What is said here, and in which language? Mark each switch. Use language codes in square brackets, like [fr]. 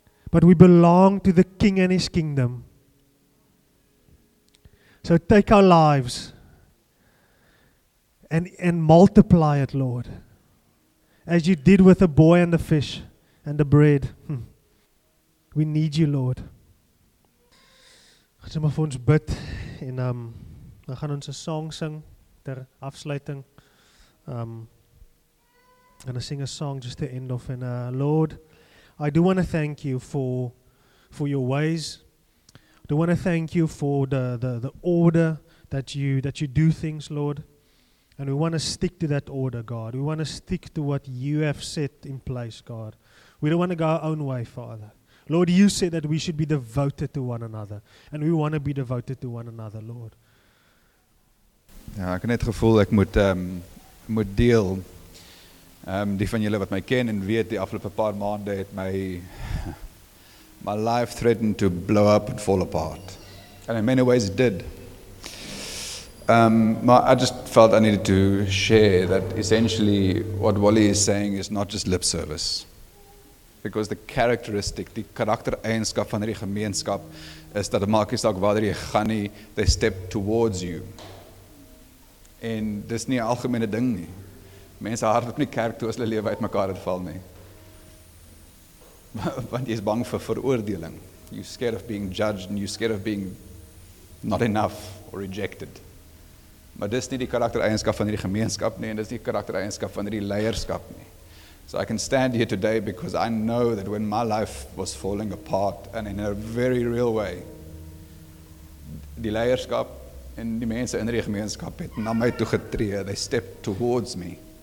[en] But we belong to the King and His kingdom. So take our lives and multiply it, Lord. As you did with the boy and the fish and the bread. We need you, Lord. [af] Ons moet vir ons bid en dan gaan ons 'n song sing ter afsluiting. [en] Gonna sing a song just to end off. And Lord, I do want to thank you for your ways. I do want to thank you for the order that you do things, Lord. And we want to stick to that order, God. We want to stick to what you have set in place, God. We don't want to go our own way, Father. Lord, you said that we should be devoted to one another. And we want to be devoted to one another, Lord. [af] Ja, ek het net gevoel ek moet deel. Die van julle wat my ken en weet, die afgelope paar maande het my [en] life threatened to blow up and fall apart. And in many ways it did. [af] But I just felt I needed to share that essentially what Wally is saying is not just lip service. [en] Because the characteristic, [af] die karaktereienskap van hierdie gemeenskap is dat maak nie saak waar jy gaan nie, [en] they step towards you. [af] En dis nie 'n algemene ding nie. Mense hardloop nie kerk toe as hulle lewe uitmekaar val nie. Want jy is bang vir veroordeling. [en] You're scared of being judged and you're scared of being not enough or rejected. [af] Maar dis nie die karaktereienskap van hierdie gemeenskap nie en dis nie die karaktereienskap van hierdie leierskap nie. [en] So I can stand here today because I know that when my life was falling apart and in a very real way, [af] die leierskap en die mense in die gemeenskap het na my toe getree, [en] they stepped towards me.